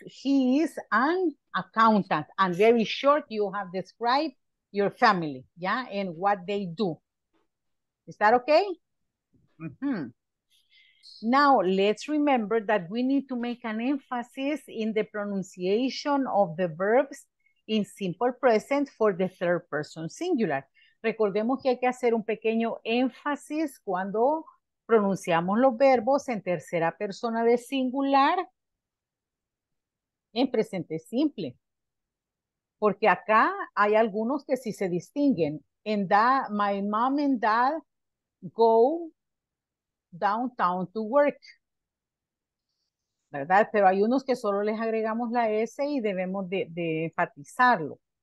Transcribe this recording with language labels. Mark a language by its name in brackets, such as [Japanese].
[English] He is an accountant. And very short, you have described your family, yeah, and what they do. Is that okay? Mm-hmm. Now, let's remember that we need to make an emphasis in the pronunciation of the verbs in simple present for the third person singular. [Spanish] Recordemos que hay que hacer un pequeño énfasis cuando pronunciamos los verbos en tercera persona de singular en presente simple. Porque acá hay algunos que sí se distinguen. [English] And that, my mom and dad go downtown to work. [Spanish] ¿Verdad? Pero hay unos que solo les agregamos la S y debemos de enfatizarlo.